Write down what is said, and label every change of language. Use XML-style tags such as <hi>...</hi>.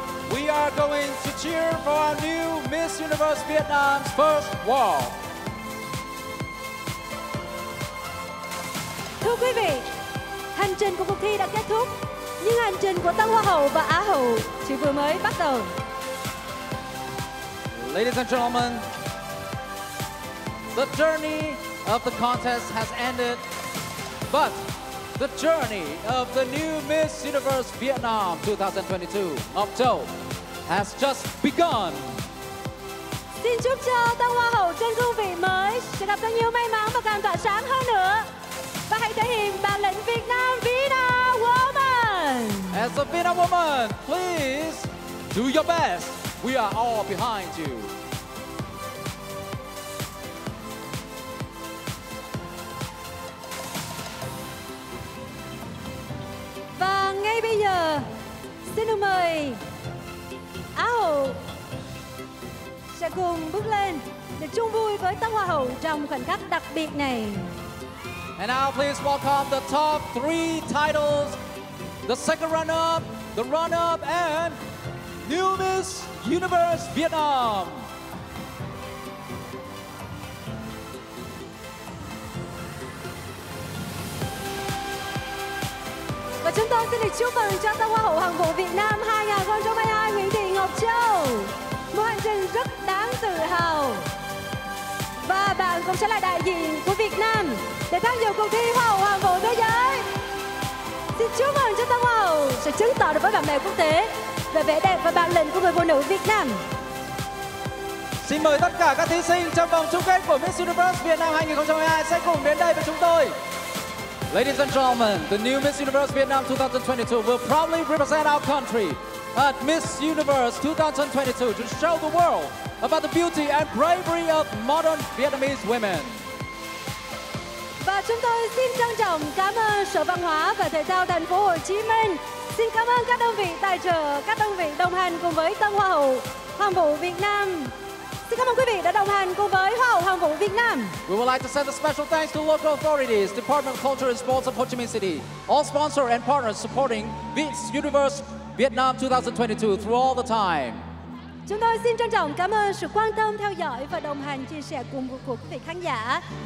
<en>We are going to cheer for our new Miss Universe Vietnam's first walk.</en> <vi>Thưa quý vị, hành trình của cuộc thi đã kết thúc, nhưng hành trình của Tân Hoa Hậu và Á Hậu chỉ vừa mới bắt đầu.</vi> <en>Ladies and gentlemen, the journey of the contest has ended, but the journey of the new Miss Universe Vietnam 2022, Ngọc Châu, has just begun.</en> <vi>Xin chúc cho Tân Hoa Hậu trên cương vị mới sẽ gặp rất nhiều may mắn và càng tỏa sáng hơn nữa. Và hãy thể hiện bản lĩnh Việt Nam Vina Woman.</vi> <en>As a Vina Woman, please do your best. We are all behind you.</en> <vi>Và ngay bây giờ, xin được mời Á Hậu sẽ cùng bước lên để chung vui với Tân Hoa Hậu trong khoảnh khắc đặc biệt này.</vi> <en>And now please welcome the top three titles, the second runner-up, the runner-up, and new Miss Universe Vietnam.</en> <vi>Và chúng tôi xin được chúc mừng cho Tân Hoa Hậu Hoàng vũ Việt Nam 2022 Nguyễn Thị Ngọc Châu. Một hành trình rất đáng tự hào. Và bạn cũng sẽ là đại diện của Việt Nam để tham dự cuộc thi Hoa Hậu Hoàng vũ Thế Giới. Xin chúc mừng cho Tân Hoa Hậu sẽ chứng tỏ được với bạn bè quốc tế về vẻ đẹp và bản lĩnh của người phụ nữ Việt Nam. Xin mời tất cả các thí sinh trong vòng chung kết của Miss Universe Việt Nam 2022 sẽ cùng đến đây với chúng tôi.</vi> <en>Ladies and gentlemen, the new Miss Universe Vietnam 2022 will proudly represent our country at Miss Universe 2022 to show the world about the beauty and bravery of modern Vietnamese women.</en> <vi>Và chúng tôi xin trân trọng cảm ơn Sở Văn hóa và Thể thao Thành phố Hồ Chí Minh. Xin cảm ơn các đơn vị tài trợ, các đơn vị đồng hành cùng với Tân Hoa Hậu Hoàng vũ Việt Nam. Xin cảm ơn quý vị đã đồng hành cùng với Hoa Hậu Hoàng vũ Việt Nam.</vi> <en>We would like to send a special thanks to local authorities, Department of Culture and Sports of Ho Chi Minh City, all sponsors and partners supporting Miss Universe Vietnam 2022 through all the time.</en> <vi>Chúng tôi xin trân trọng cảm ơn sự quan tâm, theo dõi và đồng hành chia sẻ cùng của quý vị khán giả.</vi>